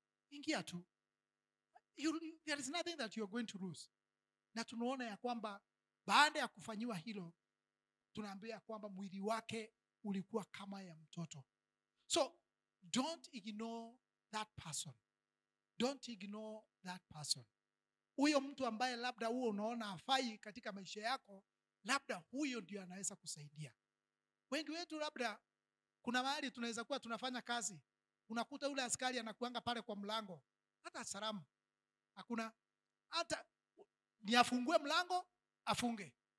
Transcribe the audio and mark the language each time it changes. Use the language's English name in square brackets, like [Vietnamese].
[Swahili] Ingia tu. [English] There is nothing that you are going to lose. [Swahili] na tunuona ya kwamba baada ya kufanyiwa hilo, tunambia kwamba mwili wake ulikuwa kama ya mtoto. [English] So, don't ignore that person. Don't ignore that person. [Swahili] Uyo mtu ambaye labda uo unaona afai katika maisha yako, labda huyo ndio anaweza kusaidia. Wengi wetu labda, kuna mahali tunaweza kuwa tunafanya kazi, unakuta ule askari anakuanga pale kwa mlango, hata salamu, hakuna, hata, niafungue mlango, afunge.